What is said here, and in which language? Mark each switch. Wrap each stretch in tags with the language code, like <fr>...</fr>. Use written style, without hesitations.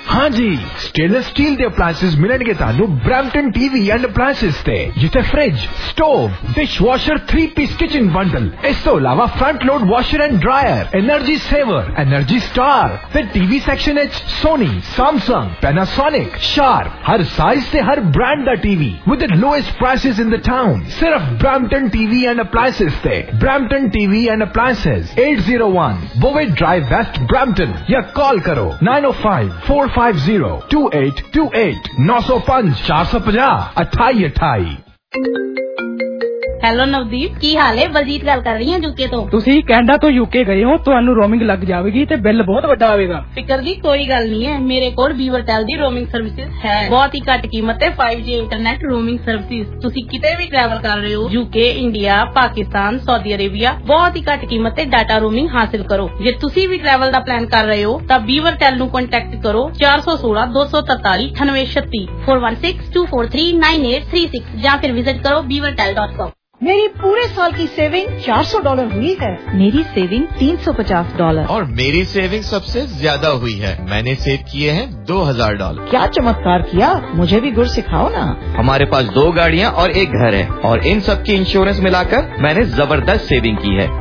<pa>ਹਾਂਜੀ, stainless steel ਦੇ appliances ਮਿਲਣਗੇ ਤੁਹਾਨੂੰ ਬ੍ਰੈਂਪਟਨ ਟੀਵੀ ਐਂਡ ਅਪਲਾਈਸਿਸ ਤੇ, ਜਿੱਥੇ fridge, stove, dish washer, 3-ਪੀਸ kitchen bundle, ਇਸ ਤੋਂ ਇਲਾਵਾ front load washer and dryer, energy saver, energy star, ਤੇ ਟੀਵੀ ਸੈਕਸ਼ਨ ਵਿੱਚ ਸੋਨੀ, ਸੈਮਸੰਗ, ਪੈਨਾਸੋਨਿਕ, ਸ਼ਾਰਪ, ਹਰ ਸਾਈਜ਼ ਤੇ ਹਰ brand ਦਾ TV with lowest prices in ਦਾ town, ਸਿਰਫ Brampton TV and appliances ਤੇ। Brampton TV and appliances, 801 Bowie Drive West, Brampton, ya call karo 905-450-2828, 905-450-2828. Hello Navdeep, की हाल है? बलजीत गल कर रही हूं यूके तो। ਤੁਸੀਂ ਕੈਨੇਡਾ ਤੋਂ ਯੂਕੇ ਗਏ ਹੋ, ਤੁਹਾਨੂੰ ਰੋਮਿੰਗ ਲੱਗ ਜਾਵੇਗੀ ਤੇ ਬਿੱਲ ਬਹੁਤ ਵੱਡਾ ਆਵੇਗਾ। ਫਿਕਰ ਦੀ ਕੋਈ ਗੱਲ ਨਹੀਂ ਹੈ, ਮੇਰੇ ਕੋਲ ਬੀਵਰਟੈਲ ਦੀ ਰੋਮਿੰਗ ਸਰਵਿਸਿਸ ਹੈ। ਬਹੁਤ ਹੀ ਘੱਟ ਕੀਮਤ ਤੇ 5G ਇੰਟਰਨੈਟ ਰੋਮਿੰਗ ਸਰਵਿਸਿਸ। ਤੁਸੀਂ ਕਿਤੇ ਵੀ ਟ੍ਰੈਵਲ ਕਰ ਰਹੇ ਹੋ, UK, India, Pakistan, Saudi Arabia, ਬਹੁਤ ਹੀ ਘੱਟ ਕੀਮਤ ਤੇ ਡਾਟਾ ਰੋਮਿੰਗ ਹਾਸਲ ਕਰੋ। ਜੇ ਤੁਸੀਂ ਵੀ ਟ੍ਰੈਵਲ ਦਾ ਪਲਾਨ ਕਰ ਰਹੇ ਹੋ ਤਾਂ ਬੀਵਰਟੈਲ ਨੂੰ ਕੰਟੈਕਟ ਕਰੋ 416-243-9836 ਜਾਂ ਫਿਰ ਵਿਜ਼ਿਟ ਕਰੋ beavertel.com।</pa> <hi>मेरी पूरे साल की सेविंग $400 हुई है। मेरी सेविंग $350 और मेरी सेविंग सबसे ज्यादा हुई है। मैंने सेव किए हैं $2,000। क्या चमत्कार किया, मुझे भी गुर सिखाओ ना। हमारे पास दो गाड़ियां और एक घर है और इन सब की इंश्योरेंस मिलाकर मैंने जबरदस्त सेविंग की है।</hi>